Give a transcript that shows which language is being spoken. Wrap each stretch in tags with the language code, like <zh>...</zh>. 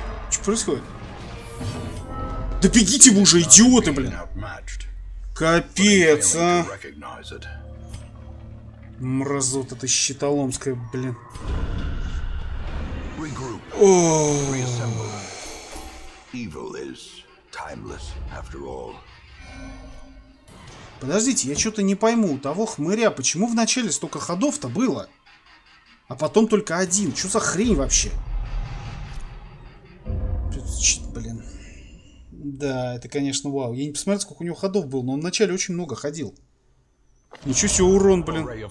<ru>Что происходит? Да бегите вы уже, идиоты, блин! Капец, а! Мразота, ты щитоломская, блин. Ооо!</ru> <en>Evil is timeless, after all.</en> <ru>Подождите, я что-то не пойму. У того хмыря, почему вначале столько ходов-то было? А потом только один. Что за хрень вообще? Блин. Да, это, конечно, вау. Я не посмотрел, сколько у него ходов было, но он вначале очень много ходил. Ничего себе урон, блин.</ru>